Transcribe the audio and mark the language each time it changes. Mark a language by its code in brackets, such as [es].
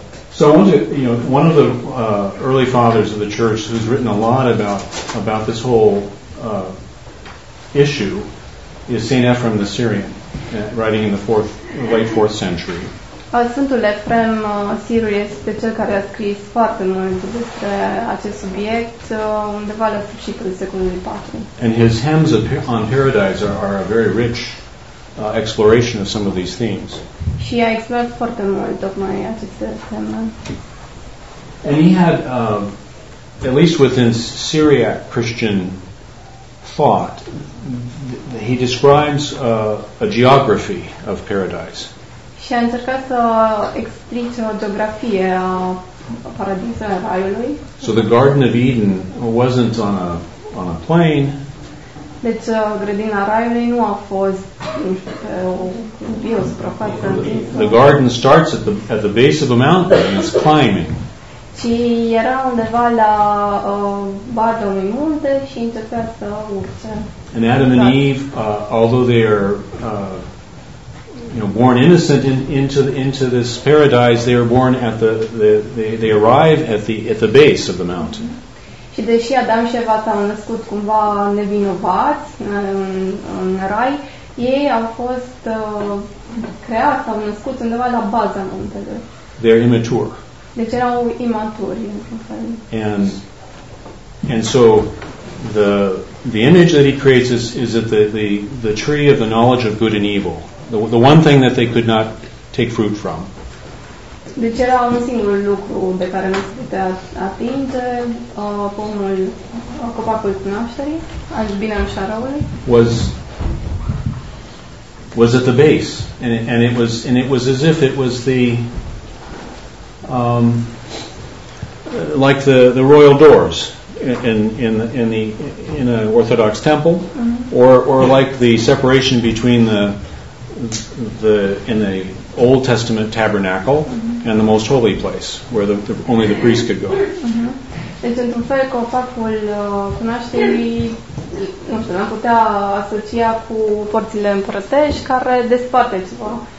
[en] So one of the early fathers of the church who's written a lot about this whole issue is Saint Ephrem the Syrian, writing in the late fourth century. [ro] Sfântul Efrem Sirul este cel care a scris foarte mult despre acest subiect undeva la sfârșitul secolului 4. [en] And his hymns on paradise are a very rich exploration of some of these themes. [ro] Și a explorat foarte mult tocmai aceste teme. [en] And he had, at least within Syriac Christian thought, he describes a geography of paradise. [ro] Și a încercat să explice o geografie a paradisului, a raiului. [en] So the Garden of Eden wasn't on a plain. [ro] Deci grădina raiului nu a fost, nu știu, pe o biosuprafață [en] The garden starts at the base of a mountain and it's climbing. [ro] Ci era undeva la baza unui munte și începea să urce. [en] And Adam and Eve, although they are born innocent into this paradise, they are born at they arrive at the base of the mountain. [ro] Și deși Adam și Eva s-au născut cumva nevinovați în rai, ei au fost creați, s-au născut undeva la baza muntelui. [en] They're immature. [ro] Deci erau imaturi, într-un fel. [en] And so the image that he creates is that the tree of the knowledge of good and evil, the one thing that they could not take fruit from. [ro] Deci era un singur lucru de care nu se putea atinge, pomul, copacul cunoașterii, al binelui și al răului. [en] Was at the base, and it was as if it was the like the royal doors in the Orthodox temple, mm-hmm. or like the separation between the Old Testament tabernacle. Mm-hmm. And the most holy place, where the only the priest could go. [ro] Deci, într-un fel, copacul cunoașterii, nu știu, l-am putea asocia cu porțile împărătești care desparte ceva.